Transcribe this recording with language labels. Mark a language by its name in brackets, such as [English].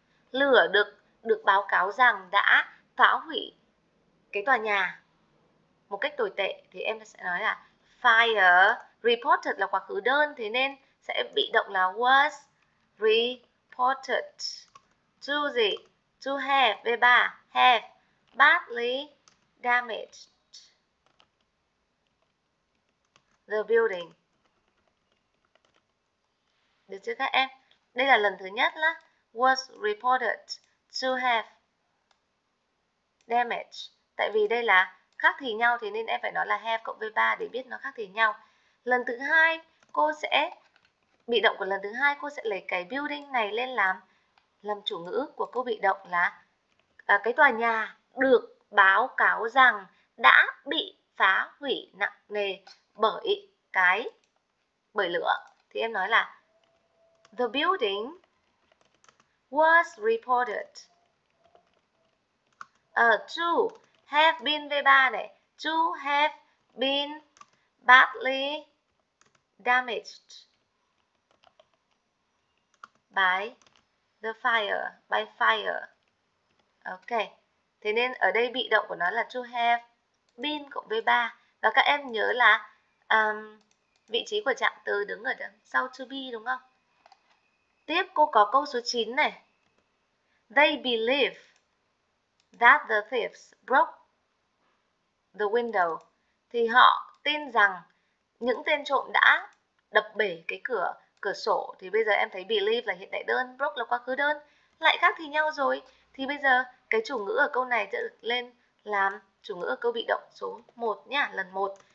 [Vietnamese] Lửa được báo cáo rằng đã phá hủy cái tòa nhà một cách tồi tệ. Thì em sẽ nói là fire. Reported là quá khứ đơn. Thế nên sẽ bị động là was reported to gì? [English] To have V3 have badly damaged the building. [Vietnamese] Được chưa các em? Đây là lần thứ nhất là [English] was reported to have damaged. [Vietnamese] Tại vì đây là khác thì nhau thì nên em phải nói là have cộng V3 để biết nó khác thì nhau. Lần thứ hai cô sẽ bị động của lần thứ hai cô sẽ lấy cái building này lên làm chủ ngữ của câu bị động là cái tòa nhà được báo cáo rằng đã bị phá hủy nặng nề bởi lửa. Thì em nói là [English] the building was reported to have been V3 này, to have been badly damaged by fire. [Vietnamese] Ok, thế nên ở đây bị động của nó là to have been cộng V3. Và các em nhớ là vị trí của trạng từ đứng ở đằng sau to be đúng không? Tiếp cô có câu số 9 này. [English] They believe that the thieves broke the window. [Vietnamese] Thì họ tin rằng những tên trộm đã đập bể cái cửa cửa sổ. Thì bây giờ em thấy believe là hiện tại đơn, broke là quá khứ đơn, lại khác thì nhau rồi. Thì bây giờ cái chủ ngữ ở câu này sẽ lên làm chủ ngữ ở câu bị động số 1 nhá, lần 1.